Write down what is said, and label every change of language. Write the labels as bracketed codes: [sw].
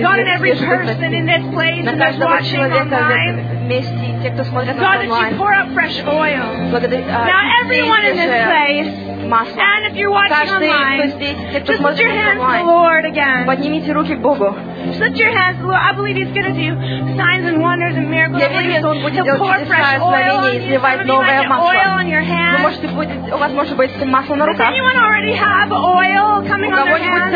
[en] God, in every person in this place and those watching online. God, that you pour out fresh oil. Now everyone in this place. And if you're watching online, just lift your hands to the Lord again. Just lift your hands to the Lord. I believe He's going to do signs and wonders and miracles. [ru] Я верю, что Он будет делать чудеса, знамения, изливать новое масло. У вас может быть масло на руках. [en] Does anyone already have oil coming on their hands?